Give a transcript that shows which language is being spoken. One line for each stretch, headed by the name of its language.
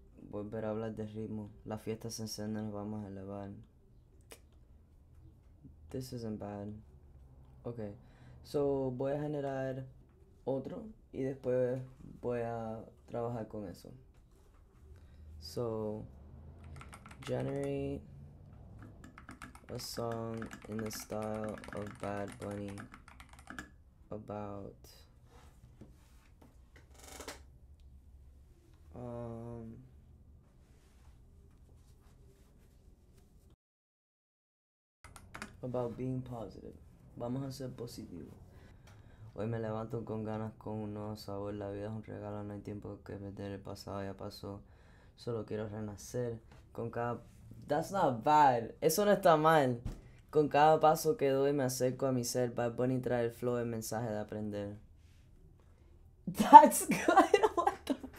Spanish: Volver a hablar de ritmo, la fiesta se enciende, nos vamos a elevar.
English: This isn't bad. Ok, so
Spanish: voy a generar otro y después voy a trabajar con eso.
English: So, generate a song in the style of Bad Bunny about being positive.
Spanish: Vamos a ser positivo. Hoy me levanto con ganas, con un nuevo sabor. La vida es un regalo, no hay tiempo que perder. El pasado ya pasó, solo quiero renacer con cada...
English: That's not bad.
Spanish: Eso no está mal. Con cada paso que doy me acerco a mi ser. Bad Bunny trae el flow, el mensaje de aprender.
English: That's good.